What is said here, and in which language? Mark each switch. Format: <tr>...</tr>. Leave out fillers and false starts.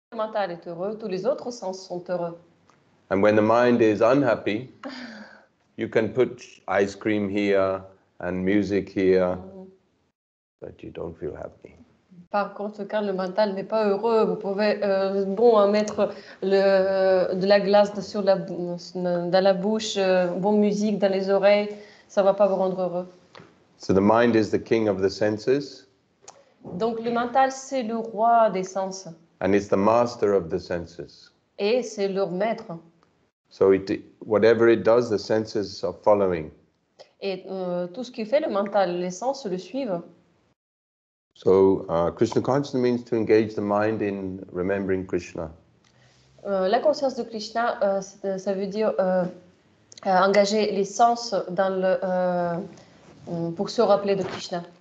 <fr>mental est heureux, tous les autres sens sont heureux.</fr> <en>And when the mind is unhappy, you can put ice cream here and music here, but you don't feel happy.</en> <fr>Par contre, quand le mental n'est pas heureux, vous pouvez mettre de la glace sur dans la bouche, bonne musique dans les oreilles, ça ne va pas vous rendre heureux.</fr> <en>So the mind is the king of the senses.</en> <fr>Donc le mental, c'est le roi des sens.</fr> <en>And it's the master of the senses.</en> <fr>Et c'est leur maître.</fr> <en>So it, whatever it does, the senses are following.</en> <fr>Et tout ce qu'il fait, le mental, les sens le suivent.</fr> <en>So Krishna consciousness means to engage the mind in remembering Krishna.</en> <fr>La conscience de Krishna, ça veut dire engager les sens dans le pour se rappeler de Krishna.</fr>